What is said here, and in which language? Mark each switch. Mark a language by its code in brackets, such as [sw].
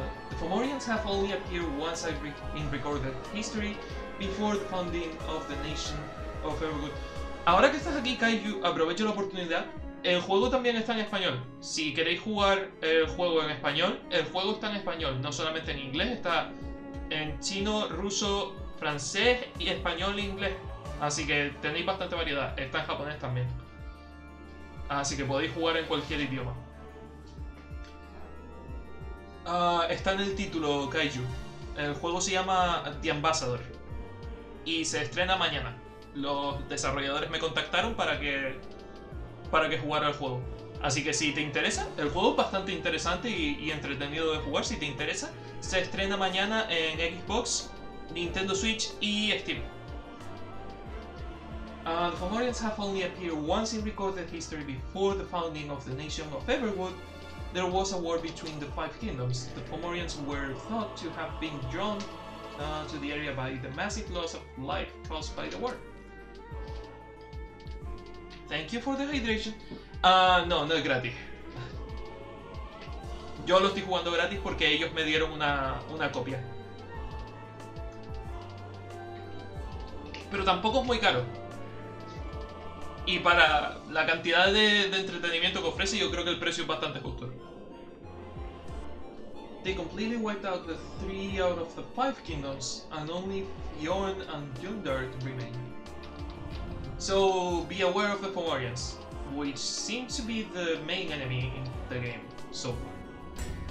[en] The Fomorians have only appeared once in recorded history, before the founding of the nation of Evergood. [es] Ahora que estás aquí, Kaiju, aprovecho la oportunidad. El juego también está en español. Si queréis jugar el juego está en español, no solamente en inglés, está en chino, ruso, francés y español e inglés. Así que tenéis bastante variedad. Está en japonés también. Así que podéis jugar en cualquier idioma. Está en el título, Kaiju. El juego se llama The Ambassador. Y se estrena mañana. Los desarrolladores me contactaron para que jugara el juego. Así que si te interesa, el juego es bastante interesante y entretenido de jugar, si te interesa, se estrena mañana en Xbox, Nintendo Switch y Steam. [en] The Fomorians have only appeared once in recorded history before the founding of the nation of Everwood. There was a war between the five kingdoms. The Fomorians were thought to have been drawn to the area by the massive loss of life caused by the war. Thank you for the hydration. [es] No es gratis. Yo lo estoy jugando gratis porque ellos me dieron una copia. Pero tampoco es muy caro. Y para la cantidad de entretenimiento que ofrece, yo creo que el precio es bastante justo. [en] They completely wiped out the three out of the five kingdoms, and only Fionn and Yundar remain. So, be aware of the Fomorians, which seem to be the main enemy in the game so far.